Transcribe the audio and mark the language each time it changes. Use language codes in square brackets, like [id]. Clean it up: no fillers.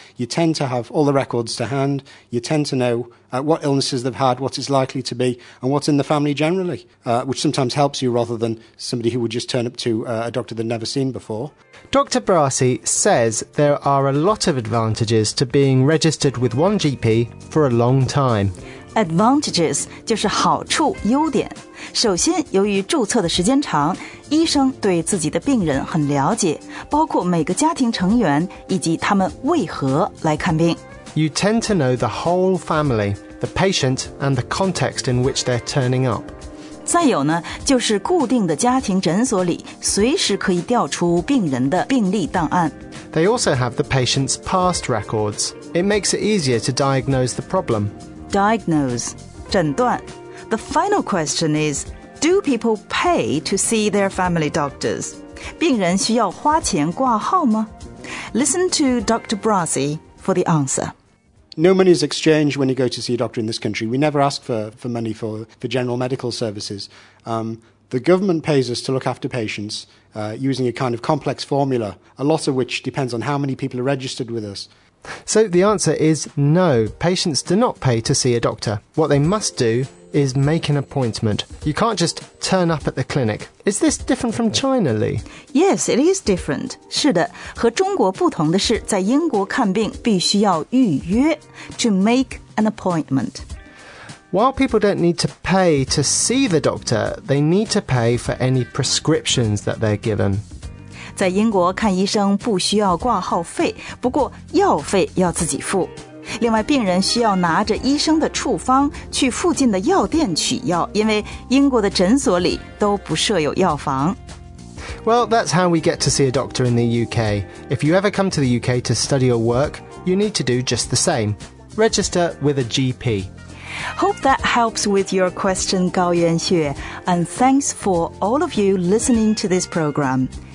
[en] You tend to have all the records to hand. You tend to know what illnesses they've had, what it's likely to be, and what's in the family generally, which sometimes helps you rather than somebody who would just turn up to a doctor they've never seen before. Dr. Brazzi says there are a lot of advantages to being registered with one GP for a long time. [zh] Advantages 就是好处、优点。首先，由于注册的时间长，医生对自己的病人很了解，包括每个家庭成员以及他们为何来看病。 [en] You tend to know the whole family, the patient, and the context in which they're turning up. [zh] 再有呢，就是固定的家庭诊所里，随时可以调出病人的病历档案。 [en] They also have the patient's past records. It makes it easier to diagnose the problem. [zh] Diagnose, 诊断。 [en] The final question is, do people pay to see their family doctors? [zh] 病人需要花钱挂号吗？ [en] Listen to Dr. Brassey for the answer. No money is exchanged when you go to see a doctor in this country. We never ask for money for general medical services. The government pays us to look after patients, using a kind of complex formula, a lot of which depends on how many people are registered with us. So the answer is no, patients do not pay to see a doctor. What they must do is make an appointment. You can't just turn up at the clinic. Is this different from China, Lee? Yes, it is different. [zh] 是的，和中国不同的是，在英国看病必须要预约 [en] to make an appointment. While people don't need to pay to see the doctor, they need to pay for any prescriptions that they're given. [zh] 在英国看医生不需要挂号费，不过药费要自己付。另外，病人需要拿着医生的处方去附近的药店取药，因为英国的诊所里都不设有药房。 [en] Well, that's how we get to see a doctor in the UK. If you ever come to the UK to study or work, you need to do just the same. Register with a GP. Hope that helps with your question, Gao Yuanxue. And thanks for all of you listening to this program.